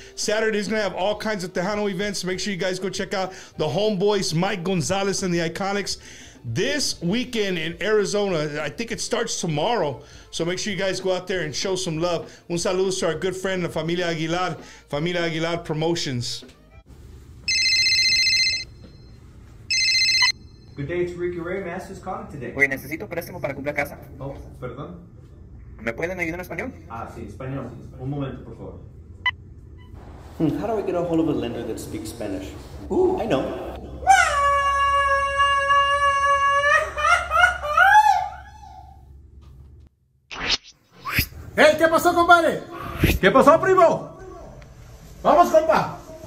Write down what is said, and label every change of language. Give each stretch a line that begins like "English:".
English: Saturday's going to have all kinds of Tejano events. Make sure you guys go check out the homeboys, Mike Gonzalez and the Iconics, this weekend in Arizona. I think it starts tomorrow. So make sure you guys go out there and show some love.
Spanish: Un saludo
English: to our good friend, Familia Aguilar. Familia Aguilar Promotions. Good day, it's Ricky Ray. May I ask who's calling today?
Spanish: Oye, necesito préstamo para comprar casa. Oh, perdón. ¿Me pueden ayudar en español? Español. Un momento, por favor.
English: How do I get a hold of a lender that speaks Spanish? Ooh, I know.
Spanish: Hey, ¿qué pasó, compadre? ¿Qué pasó, primo? Vamos, compa.